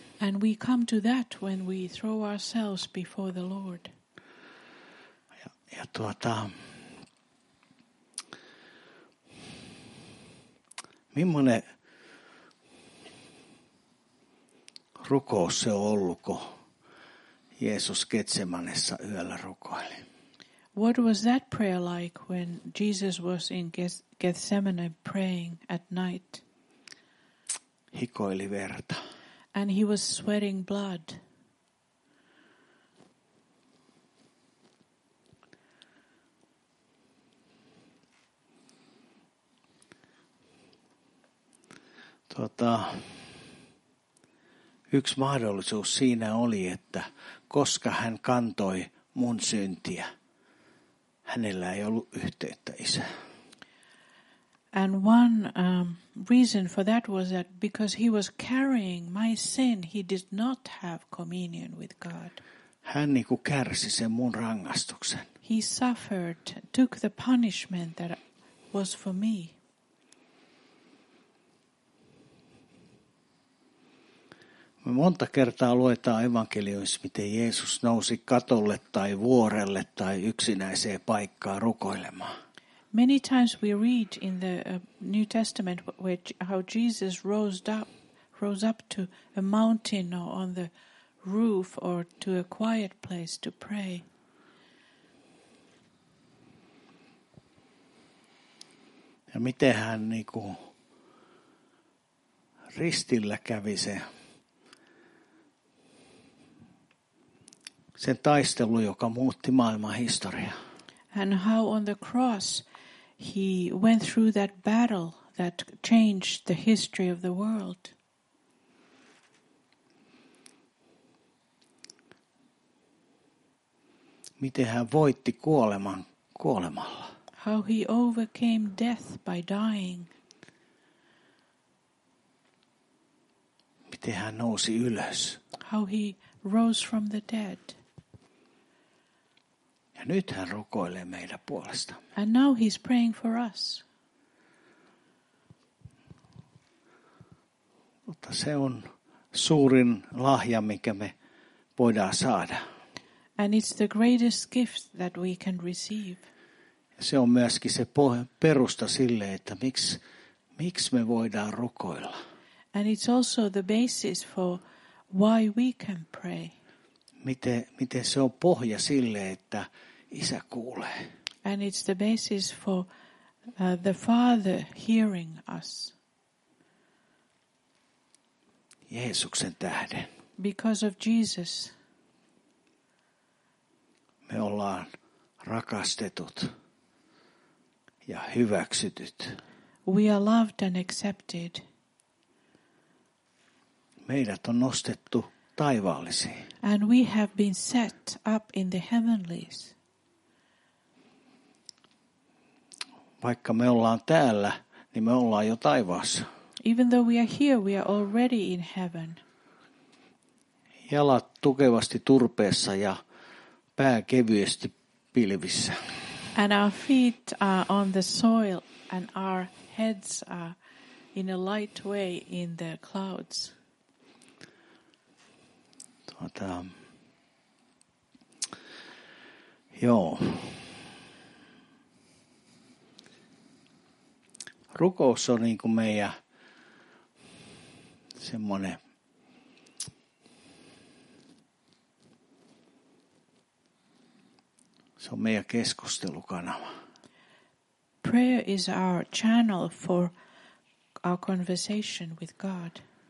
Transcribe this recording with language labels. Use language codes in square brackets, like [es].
[en] And we come to that when we throw ourselves before the Lord. [fi] Ja millainen rukous se on ollut, kun Jeesus Getsemanessa yöllä rukoili? [en] What was that prayer like when Jesus was in Gethsemane praying at night? [fi] Hikoili verta. [en] And he was sweating blood. [fi] Yksi mahdollisuus siinä oli, että koska hän kantoi mun syntiä, hänellä ei ollut yhteyttä Isään. [en] And one reason for that was that because he was carrying my sin, he did not have communion with God. [fi] Hän niinku kärsi sen mun rangaistuksen. [en] He suffered, took the punishment that was for me. [fi] Me monta kertaa luetaan evankelioissa, miten Jeesus nousi katolle tai vuorelle tai yksinäiseen paikkaan rukoilemaan. [en] Many times we read in the New Testament which how Jesus rose up to a mountain or on the roof or to a quiet place to pray. [fi] Ja miten hän niinku ristillä kävi sen taistelun, joka muutti maailman historiaa. [en] And how on the cross he went through that battle that changed the history of the world. [fi] Miten hän voitti kuoleman kuolemalla? [en] How he overcame death by dying. [fi] Miten hän nousi ylös? [en] How he rose from the dead. [fi] Ja nyt hän rukoilee meidän puolesta. [en] And now he's praying for us. [fi] Mutta se on suurin lahja, mikä me voidaan saada. [en] And it's the greatest gift that we can receive. [fi] Se on myöskin se perusta sille, että miksi me voidaan rukoilla. [en] And it's also the basis for why we can pray. [fi] Miten se on pohja sille, että Isä kuulee. [en] And it's the basis for the Father hearing us. [fi] Jeesuksen tähden. [en] Because of Jesus. [fi] Me ollaan rakastetut ja hyväksytyt. [en] We are loved and accepted. [fi] Meidät on nostettu taivaallisiin. [en] And we have been set up in the heavenlies. [fi] Vaikka me ollaan täällä, niin me ollaan jo taivaassa. [en] Even though we are here, we are already in heaven. [fi] Jalat tukevasti turpeessa ja pää kevyesti pilvissä. [en] And our feet are on the soil and our heads are in a light way in the clouds. [fi] Joo. Rukous on niin kuin meidän semmoinen se on meidän keskustelukanava. [en] Prayer is our channel for our conversation with God.